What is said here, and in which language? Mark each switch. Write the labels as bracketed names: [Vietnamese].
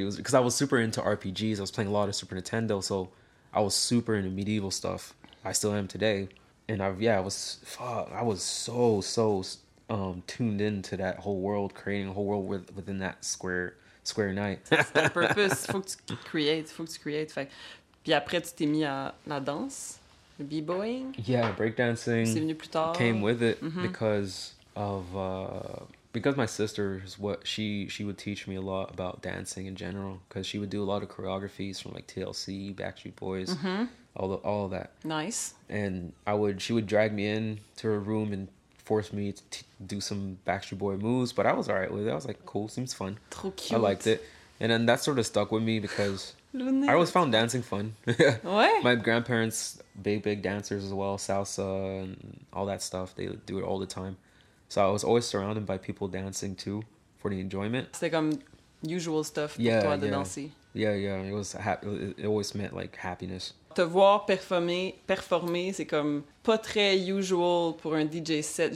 [English] It was because I was super into RPGs. I was playing a lot of Super Nintendo. So I was super into medieval stuff. I still am today. And I was so tuned into that whole world, creating a whole world within that square night. [French] C'est ton purpose, faut que tu crées. Fait. Puis après, tu t'es mis à la danse, le b-boying. [English] Yeah, breakdancing. [French] C'est venu plus tard. [English] Came with it because my sister is what she would teach me a lot about dancing in general, because she would do a lot of choreographies from like TLC, Backstreet Boys. All of that. Nice. And she would drag me in to her room and force me to do some Backstreet Boy moves, but I was all right with it. I was like, cool, seems fun. [French] Trop cute. [English] I liked it. And then that sort of stuck with me because I always found dancing fun. What? My grandparents, big dancers as well, salsa and all that stuff. They do it all the time. So I was always surrounded by people dancing too for the enjoyment. [French] C'est comme [English] usual stuff [French] pour toi de danser. [English] Yeah, yeah. It was it always meant like happiness. [French] Te voir performer, c'est comme pas très usual pour un DJ set.